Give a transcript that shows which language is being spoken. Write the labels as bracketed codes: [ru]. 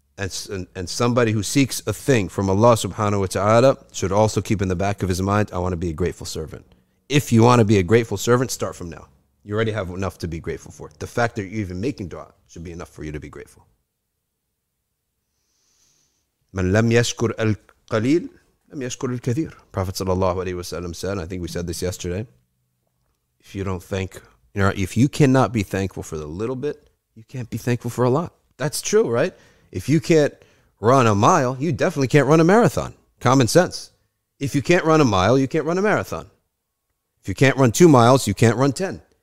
[en] And somebody who seeks a thing from Allah subhanahu wa ta'ala should also keep in the back of his mind, I want to be a grateful servant. If you want to be a grateful servant, start from now. You already have enough to be grateful for. The fact that you're even making dua should be enough for you to be grateful. [ar] من لم يشكر القليل لم يشكر الكثير. [en] Prophet sallallahu alayhi wa sallam said, I think we said this yesterday, if you don't thank, you know, if you cannot be thankful for the little bit, you can't be thankful for a lot. That's true, right? If you can't run a mile, you definitely can't run a marathon. Common sense. If you can't run a mile, you can't run a marathon. If you can't run 2 miles, you can't run 10.